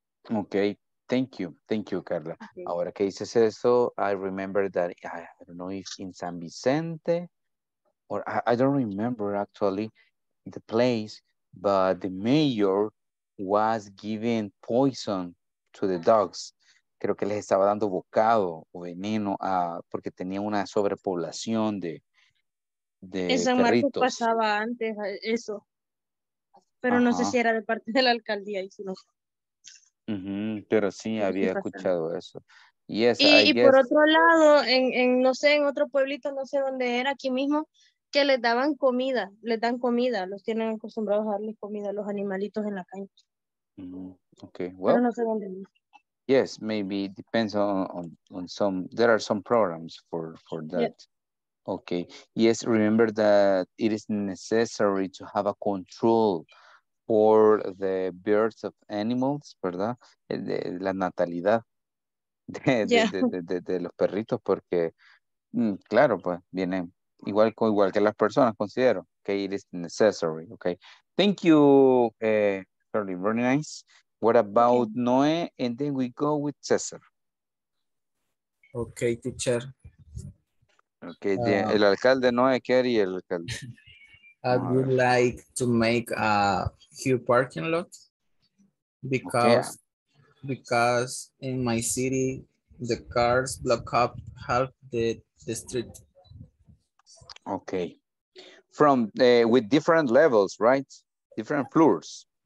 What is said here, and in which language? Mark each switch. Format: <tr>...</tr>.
<en>Okay. Thank you, Carla. Okay.</en> <es>Ahora que dices eso,</es> <en>I remember that, I don't know if in San Vicente, or I don't remember actually the place, but the mayor was giving poison to the dogs.</en> <es>Creo que les estaba dando bocado o veneno a, porque tenía una sobrepoblación de perritos. En San Marcos pasaba antes eso, pero uh-huh. No sé si era de parte de la alcaldía y si no. Uh-huh. Pero sí, había escuchado eso. Yes, y guess... por otro lado, en no sé, en otro pueblito, no sé dónde era, aquí mismo, que les daban comida, les dan comida, los tienen acostumbrados a darles comida a los animalitos en la calle.</es> <en>Uh-huh. Okay, well,</en> <es>pero no sé dónde era.</es> <en>Yes, maybe it depends on some, there are some programs for that. Yes. Okay, yes, remember that it is necessary to have a control for the birth of animals, ¿verdad?</en> <es>La natalidad de los perritos, porque, claro, pues, vienen igual que las personas, considero, que</es> <en>okay, it is necessary, okay. Thank you, Carly, very nice. What about okay. Noé? And then we go with César. Okay, teacher.</en> <es>Okay, el alcalde Noé, ¿qué haría el alcalde?</es> <en>I would like to make a huge parking lot because in my city the cars block up half the street. Okay. From with different levels, right? Different floors.</en>